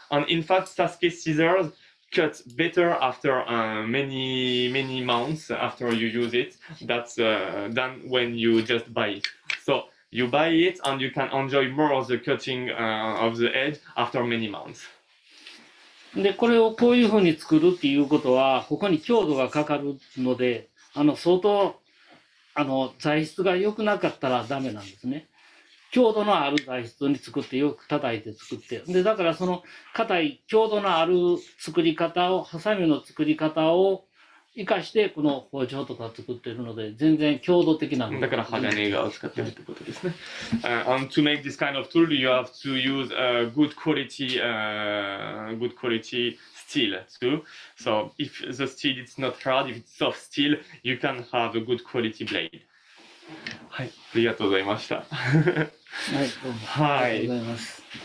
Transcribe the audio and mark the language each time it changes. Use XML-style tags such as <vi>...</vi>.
<en>And in fact, Sasuke scissors cut better after many months after you use it, that's than when you just buy it. So you buy it and you can enjoy more of the cutting of the edge after many months.</en> <ja>でこれをこういうふうに作るっていうことはここに強度がかかるので、あの相当あの材質が良くなかったらダメなんですね。強度のある材質に作って、よく叩いて作って。で、だからその硬い強度のある作り方を、ハサミの作り方を生かして、この包丁とか作ってるので、全然強度的なもの。だから鋼を使ってるってことですね。</ja> <en>and to make this kind of tool, you have to use a good quality steel too. So if the steel is not hard, if it's soft steel, you can have a good quality blade.</en> <ja>はい、ありがとうございました。はい、どうも。はい、ありがとうございます。</ja>